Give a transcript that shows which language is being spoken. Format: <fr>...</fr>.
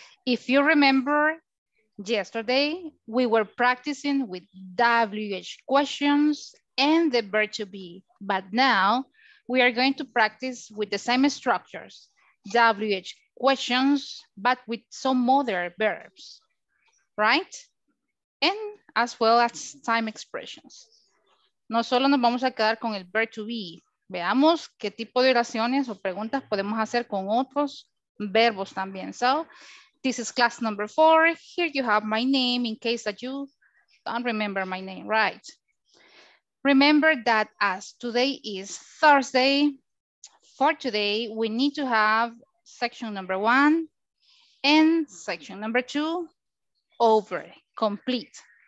<en>If you remember yesterday, we were practicing with WH questions and the verb to be, but now we are going to practice with the same structures, WH questions, but with some other verbs, right? And as well as time expressions.</en> <es>No solo nos vamos a quedar con el verb to be, veamos qué tipo de oraciones o preguntas podemos hacer con otros verbos también.</es> <en>So, this is class number 4. Here you have my name in case that you don't remember my name, right? Remember that as today is Thursday, for today, we need to have section number 1 and section number 2 over, complete.</en>